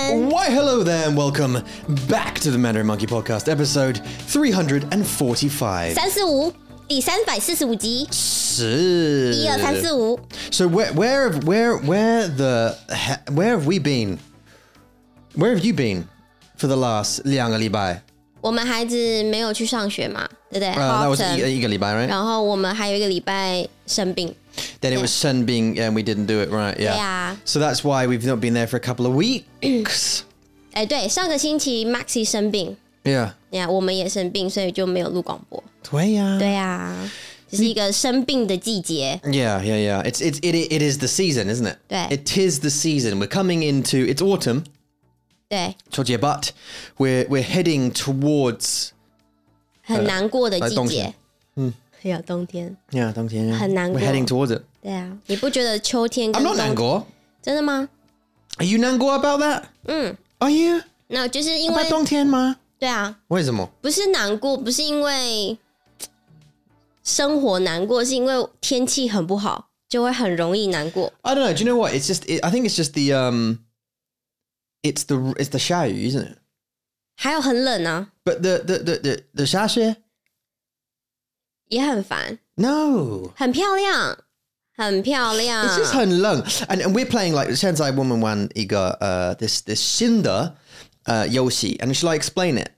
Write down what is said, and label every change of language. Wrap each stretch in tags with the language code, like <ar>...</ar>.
<en>Why, hello there, and welcome back to the Mandarin Monkey Podcast, episode 345.</en> <zh>345集。是。 12345。</zh> <en>So where have we been? Where have you been for the last</en> <zh>2个礼拜？我们孩子没有去上学嘛，对不对？那我是一个礼拜，</zh> <en>right?</en> <zh>然后我们还有一个礼拜生病。</zh> <en>Then it was sun being, and we didn't do it right. Yeah. Yeah. So that's why we've not been there for a couple of weeks.</en> <zh>哎，对，上个星期 Maxi 生病。</zh> <en>Yeah. Yeah,</en> <zh>我们也生病，所以就没有录广播。对呀。对呀。这是一个生病的季节。</zh> <en>Yeah. It is the season, isn't it?</en> <zh>对。</zh> <en>It is the season. We're coming into, it's autumn.</en> <zh>对。秋节，</zh> <en>but we're heading towards</en> <zh>很难过的季节。</zh> <en>Yeah,</en> <zh>冬天。</zh> <en>Yeah,</en> <zh>冬天。很难过。</zh> <en>We're heading towards it.</en> <zh>对啊，你不觉得秋天跟冬天？</zh> <en>I'm not</en> <zh>难过。真的吗？</zh> <en>Are you</en> <zh>难过</zh> <en>about that? 嗯。 Are you? No,</en> <zh>就是因为。</zh> <en>About</en> <zh>冬天吗？对啊。为什么？不是难过，不是因为生活难过，是因为天气很不好，就会很容易难过。</zh> <en>I don't know, do you know what? It's just, I think it's just the, it's the</en> <zh>下雨,</zh> <en>isn't it?</en> <zh>还有很冷啊。</zh> <en>But the</en> <zh>下雪。也很烦</zh> <en>No</en> <zh>很漂亮很漂亮</zh> <en>It's just</en> <zh>很冷</zh> <en>And we're playing like</en> <zh>现在我们玩一个</zh> <en>this</en> <zh>新的游戏</zh> <en>And shall I explain it?</en>